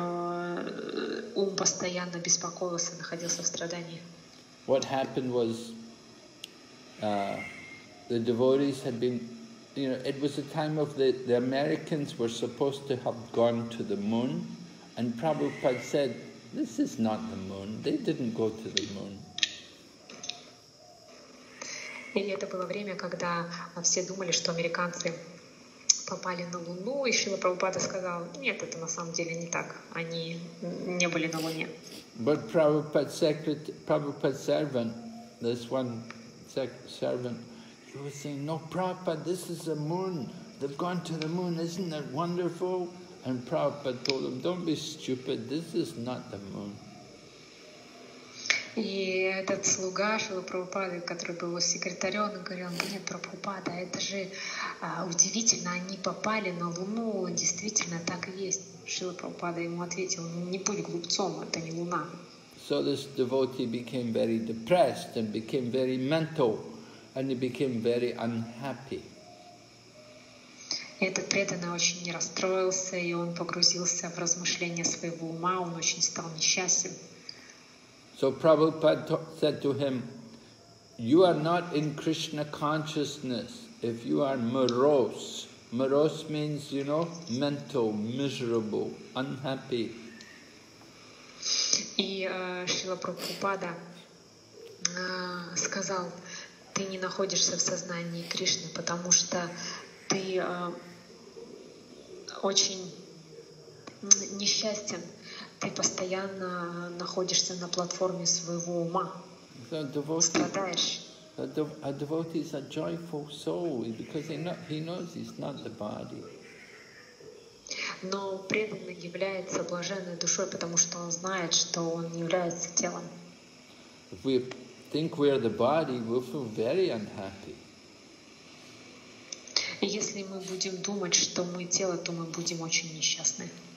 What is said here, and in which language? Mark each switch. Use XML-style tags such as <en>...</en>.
<ru>Очень ум постоянно беспокоился, находился в страдании.</ru> <en>What happened was the devotees had been, you know, it was a time of the Americans were supposed to have gone to the moon, and Prabhupada said, this is not the moon, they didn't go to the moon.</en> <ru>И это было время, когда все думали, что американцы попали на Луну, и Шрила Прабхупада сказал, нет, это на самом деле не так, они не были на Луне.</ru> <en>But Prabhupada's servant, this one servant, he was saying, no, Prabhupada, this is the moon, they've gone to the moon, isn't that wonderful? And Prabhupada told him, don't be stupid, this is not the moon.</en> <ru>И этот слуга Шрилы Прабхупады, который был его секретарем, он говорил, нет, Прабхупада, это же удивительно, они попали на Луну, действительно так и есть. Шрила Прабхупада ему ответил, не будь глупцом, это не Луна.</ru> <en>So this devotee became very depressed and became very mental and he became very unhappy.</en> <ru>Этот преданный очень расстроился и он погрузился в размышления своего ума, он очень стал несчастен.</ru> <en>So Prabhupada said to him, you are not in Krishna consciousness if you are morose. Morose means, you know, mental, miserable, unhappy.</en> <ru>И Шрила Прабхупада сказал, ты не находишься в сознании Кришны, потому что ты очень несчастен. Ты постоянно находишься на платформе своего ума. Страдаешь.</ru> <en>A devotee is a joyful soul because he knows he's not the body.</en> <ru>Но преданный является блаженной душой, потому что он знает, что он не является телом.</ru> <en>If we think we are the body, we feel very unhappy.</en> <ru>Если мы будем думать, что мы тело, то мы будем очень несчастны.</ru>